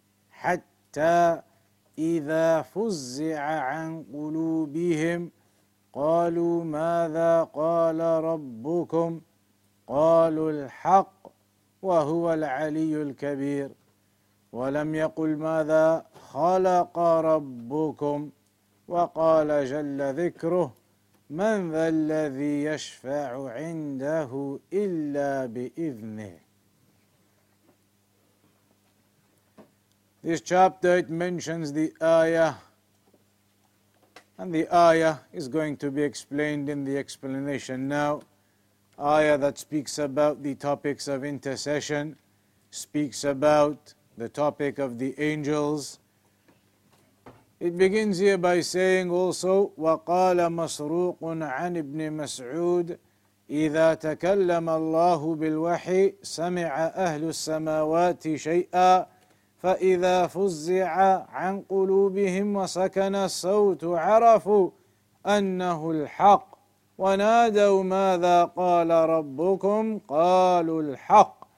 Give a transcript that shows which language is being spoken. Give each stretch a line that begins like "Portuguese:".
Arabic: حتى إذا فزع عن قلوبهم قالوا ماذا قال ربكم قالوا الحق وهو العلي الكبير ولم يقل ماذا خلق ربكم وقال جل ذكره من ذا الذي يشفع عنده إلا بإذنه.
English: This chapter, it mentions the ayah, and the ayah is going to be explained in the explanation now. Ayah that speaks about the topics of intercession, speaks about the topic of the angels. It begins here by saying also,
Arabic: وَقَالَ مَسْرُوقٌ عَنْ إِبْنِ مَسْعُودٍ إِذَا تَكَلَّمَ اللَّهُ بِالْوَحِي سَمِعَ أَهْلُ السَّمَاوَاتِ شَيْئًا فَإِذَا فُزِّعَ عَنْ قُلُوبِهِمْ وَسَكَنَ الصَّوْتُ عَرَفُوا أَنَّهُ الْحَقُّ وَنَادَوْا مَاذَا قَالَ رَبُّكُمْ قَالُوا الْحَقُّ